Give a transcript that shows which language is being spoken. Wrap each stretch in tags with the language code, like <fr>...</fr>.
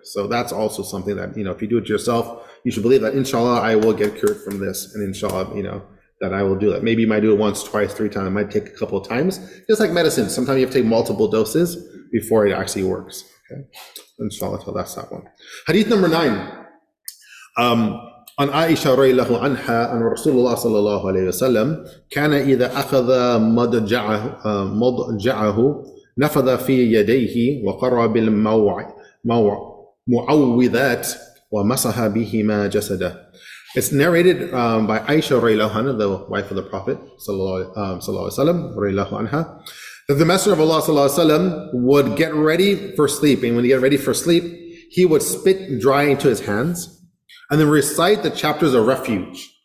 <en>So that's also something that, you know, if you do it yourself, you should believe that, inshallah, I will get cured from this, and inshallah, you know, that I will do that. Maybe you might do it once, twice, three times, it might take a couple of times. Just like medicine, sometimes you have to take multiple doses before it actually works. Okay. Inshallah, that's that one. Hadith number nine.</en> <ar>عن عائشة رضي الله عنها أن رسول الله صلى الله عليه وسلم كان إذا أخذ مضجعه نفذ في يديه وقرأ بالمعوذات ومسح بهما جسده.</ar> <en>It's narrated by Aisha</en> <ar>رضي الله عنها,</ar> <en>the wife of the Prophet</en> <ar>صلى الله عليه وسلم,</ar> <en>رضي الله عنها, that the Messenger of Allah صلى الله عليه وسلم would get ready for sleep, and when he get ready for sleep, he would spit dry into his hands, and then recite the chapters of refuge.</en>